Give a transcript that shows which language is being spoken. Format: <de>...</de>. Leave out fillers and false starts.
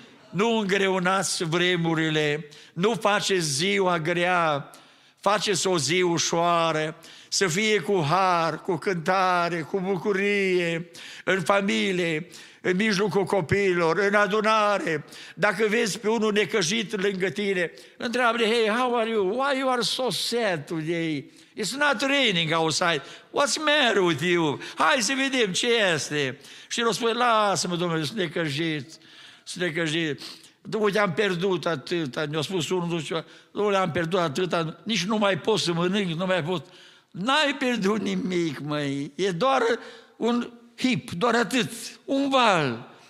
<ro>Nu îngreunați vremurile, nu faceți ziua grea, faceți o zi ușoară, să fie cu har, cu cântare, cu bucurie, în familie, în mijlocul copiilor, în adunare. Dacă vezi pe unul necăjit lângă tine, întreabă-le:</ro> <en>hey, how are you? Why you are so sad today? It's not raining outside. What's the matter with you?</en> <ro>Hai să vedem ce este. Și el o spune: lasă-mă, domnule, sunt necăjit. Sunt necăjit. Uite, am pierdut atâta. Mi-a spus unul, domnule, am pierdut atâta. Nici nu mai pot să mănânc, nu mai pot. N-ai pierdut nimic, măi. E doar un hip, doar atât. Un val.</ro>